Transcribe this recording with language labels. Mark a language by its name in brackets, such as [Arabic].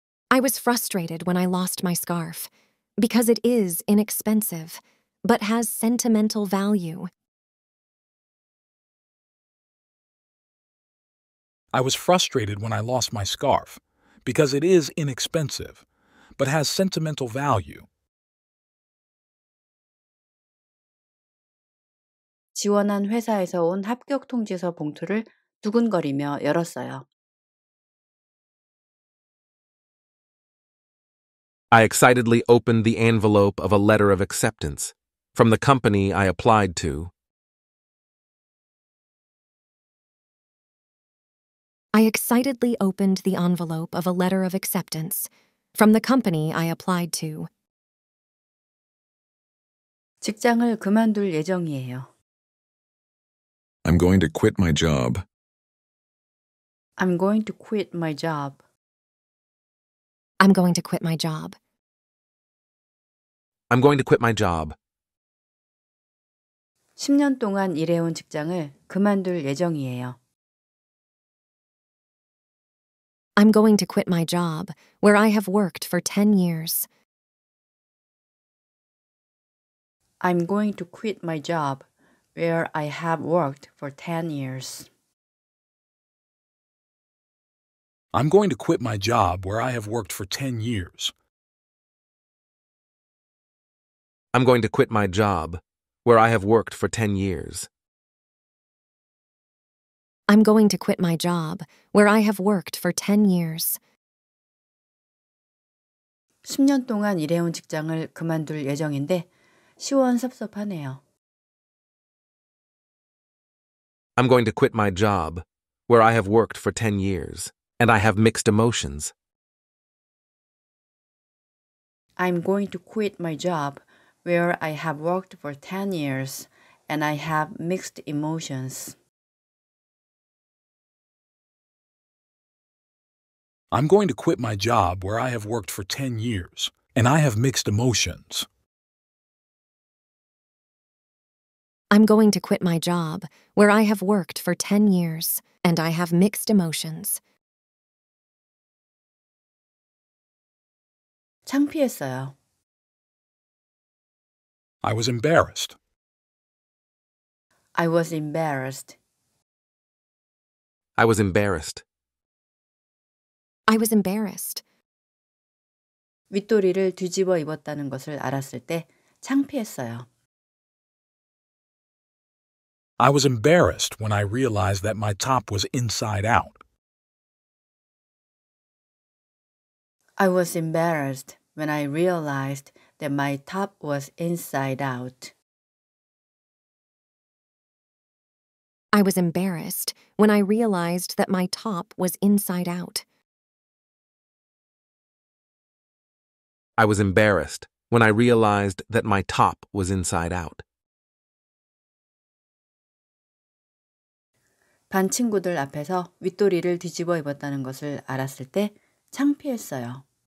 [English] I was frustrated when I lost my scarf, because it is inexpensive, but has sentimental value. I was frustrated when I lost my scarf, because it is inexpensive, but has sentimental value. [Korean] 지원한 회사에서 온 합격 통지서 봉투를 두근거리며 열었어요. [English] I excitedly opened the envelope of a letter of acceptance from the company I applied to. I excitedly opened the envelope of a letter of acceptance from the company I applied to. [Korean] 직장을 그만둘 예정이에요. [English] I'm going to quit my job. I'm going to quit my job. I'm going to quit my job. I'm going to quit my job. [Korean] 10년 동안 일해온 직장을 그만둘 예정이에요. [English] I'm going to quit my job, where I have worked for 10 years. I'm going to quit my job where I have worked for 10 years. I'm going to quit my job where I have worked for 10 years. I'm going to quit my job where I have worked for 10 years. I'm going to quit my job where I have worked for 10 years. [Korean] 10년 동안 일해온 직장을 그만둘 예정인데 시원섭섭하네요. [English] I'm going to quit my job where I have worked for 10 years and I have mixed emotions. I'm going to quit my job where I have worked for 10 years and I have mixed emotions. I'm going to quit my job where I have worked for 10 years and I have mixed emotions. I'm going to quit my job where I have worked for 10 years and I have mixed emotions. [Korean] 창피했어요. [English] I was embarrassed. I was embarrassed. I was embarrassed. I was embarrassed. [Korean] 윗도리를 뒤집어 입었다는 것을 알았을 때 창피했어요. [English] I was embarrassed when I realized that my top was inside out. I was embarrassed when I realized that my top was inside out. I was embarrassed when I realized that my top was inside out. I was embarrassed when I realized that my top was inside out. [Korean] 반 친구들 앞에서 윗도리를 뒤집어 입었다는 것을 알았을 때 창피했어요.